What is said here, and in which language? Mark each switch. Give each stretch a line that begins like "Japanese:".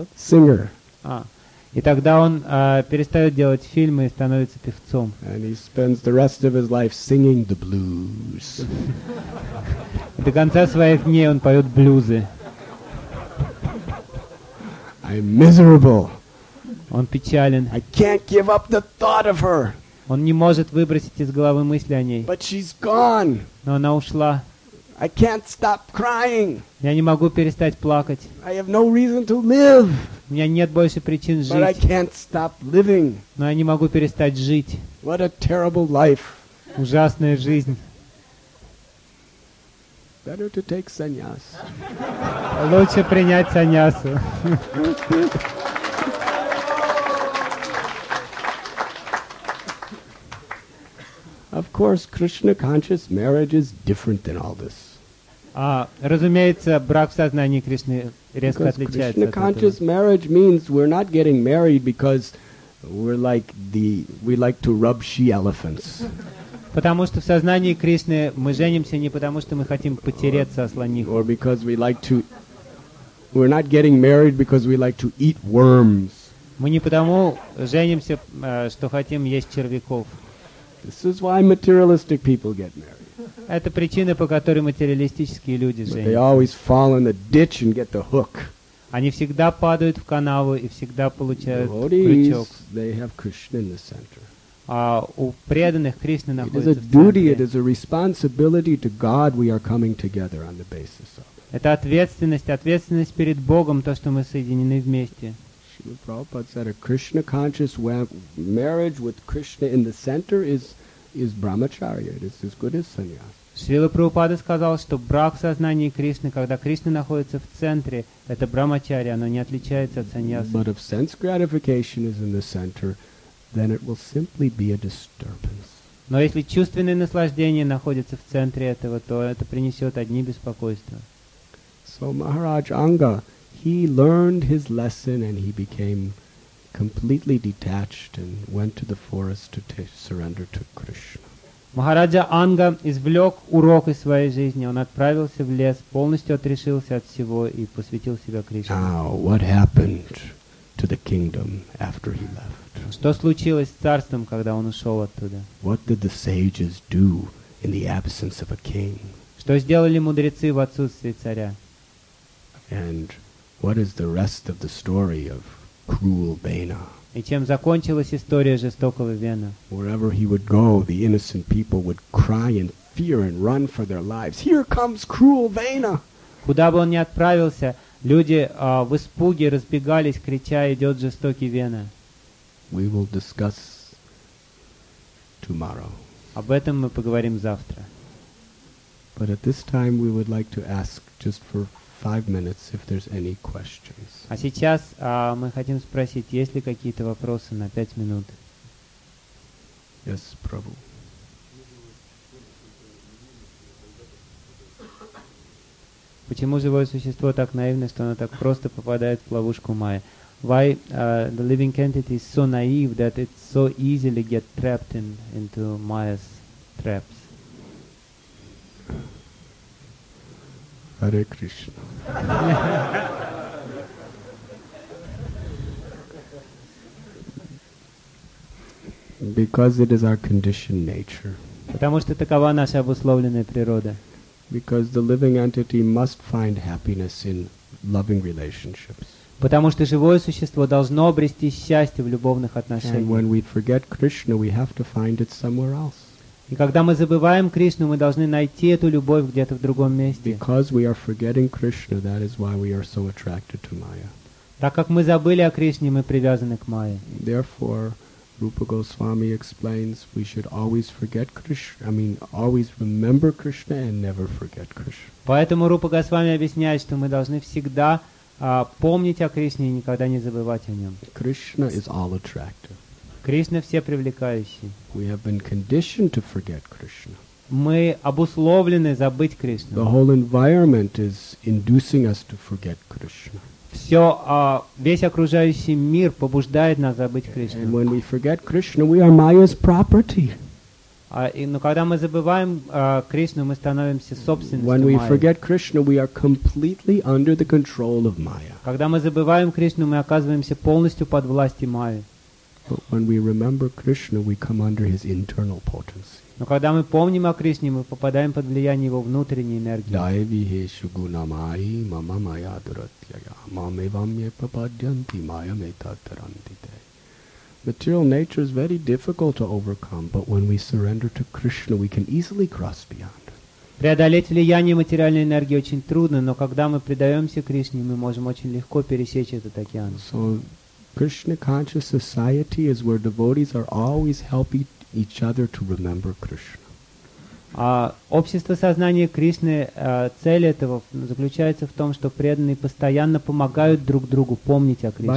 Russian: И тогда он перестает делать фильмы и становится певцом.
English: And he spends the rest of his life singing the blues.
Russian: До конца своих дней он поет блюзы.
English: I'm miserable.
Russian: Он печален.
English: I can't give up the thought of her.
Russian: Он не может выбросить из головы мысли о ней.
English: But she's gone.
Russian: Но она ушла.
English: I can't stop crying.
Russian: Я не могу перестать плакать.
English: I have no reason to live.
Russian: У меня нет больше причин жить.
English: But I can't stop living.
Russian: Но я не могу перестать жить.
English: What a terrible life.
Russian: Ужасная жизнь.
English: Better to take sannyas.
Russian: Лучше принять саньясу.
English: Of course, Krishna conscious marriage is different than all this.
Russian: Разумеется, брак в сознании Кришны резко отличается от этого.
English: Krishna conscious marriage means we're not getting married because we're like we like to rub she elephants.
Russian: Потому что в сознании Кришны мы женимся не потому, что мы хотим потереться о слоних.
English: Or because we like to we're not getting married because we like to eat worms.
Russian: Мы не потому женимся, что хотим есть червяков.
English: This is why materialistic people get married.
Russian: Это причина, по которой материалистические люди женятся.
English: They always fall in the ditch and get the hook.
Russian: Они всегда падают в канаву и всегда получают крючок.
English: They have Krishna in the center.
Russian: У преданных Кришна находится в центре.
English: It is a duty, it is a responsibility to God we are coming together on the basis of.
Russian: Это ответственность, ответственность перед Богом, то, что мы соединены вместе.
English: Srila Prabhupada said a Krishna conscious marriage with Krishna in the center is brahmacharya. It is as good as sannyas.
Russian: Srila Prabhupada сказал, что брак в сознании Кришны, когда Кришна находится в центре, это брахмачарья, оно не отличается от саньяса.
English: But if sense gratification is in the center, then it will simply be a disturbance.
Russian: Но если чувственное наслаждение находится в центре этого, то это принесет одни беспокойства.
English: So Maharaj Anga, he learned his lesson and he became completely detached and went to the forest to surrender to Krishna.
Russian: Maharaja Anga извлек урок из своей жизни. Он отправился в лес, полностью отрешился от всего и посвятил себя Кришне.
English: Now, what happened to the kingdom after he left?
Russian: Что случилось с царством, когда он ушел оттуда?
English: What did the sages do in the absence of a king?
Russian: Что сделали мудрецы в отсутствии царя?
English: And what is the rest of the story of cruel Bena?
Russian: И чем закончилась история жестокого Вена?
English: Wherever he would go, the innocent people would cry in fear and run for their lives. Here comes cruel Vena.
Russian: Куда бы он ни отправился, люди в испуге разбегались, крича: «Идет жестокий Вена».
English: We will discuss tomorrow.
Russian: Об этом мы поговорим завтра.
English: But at this time we would like to ask just for 5 minutes if there's any questions.
Russian: А сейчас мы хотим спросить, есть ли какие-то вопросы на 5 минут.
English: Yes, Prabhu.
Russian: Почему живое существо так наивно, что оно так просто попадает в ловушку майя?
English: Why the living entity is so naive that it so easily get trapped into Maya's traps? Hare Krishna. Because it is our conditioned nature.
Russian: Потому что такова наша обусловленная природа.
English: Because the living entity must find happiness in loving relationships.
Russian: Потому что живое существо должно обрести счастье в любовных отношениях.
English: And when we forget Krishna, we have to find it somewhere else.
Russian: И когда мы забываем Кришну, мы должны найти эту любовь где-то в другом месте.
English: Because we are forgetting Krishna, that is why we are so attracted to Maya.
Russian: Так как мы забыли о Кришне, мы привязаны к Майе.
English: Therefore, Rupa Goswami explains, we should always forget Krishna, always remember Krishna and never forget Krishna.
Russian: Поэтому Рупа Госвами объясняет, что мы должны всегда помнить о Кришне и никогда не забывать о нем.
English: Krishna is all attractive.
Russian: Кришна все привлекающий.
English: We have been conditioned to forget Krishna.
Russian: Мы обусловлены забыть Кришну.
English: The whole environment is inducing us to forget Krishna.
Russian: Все, весь окружающий мир побуждает нас забыть Кришну.
English: And when we forget Krishna, we are Maya's property.
Russian: Но когда мы забываем Кришну, мы становимся собственностью Майи.
English: When we forget Krishna, we are completely under the control of Maya.
Russian: Когда мы забываем Кришну, мы оказываемся полностью под властью Майи.
English: But when we remember Krishna, we come under his internal potency.
Russian: Но когда мы помним о Кришне, мы попадаем под влияние его внутренней энергии.
Sanskrit: Дайвихе шугунамай мама майя дуратьяя маме вамье пападьянти майя мета тарантите.
English: Material nature is very difficult to overcome, but when we surrender to Krishna, we can easily cross beyond.
Russian: Преодолеть влияние материальной энергии очень трудно, но когда мы предаемся Кришне, мы можем очень легко пересечь этот океан.
English: So, Krishna-conscious society is where devotees are always helping each other to remember Krishna.
Russian: Общество сознания Кришны, цель этого заключается в том, что преданные постоянно помогают друг другу помнить о Кришне.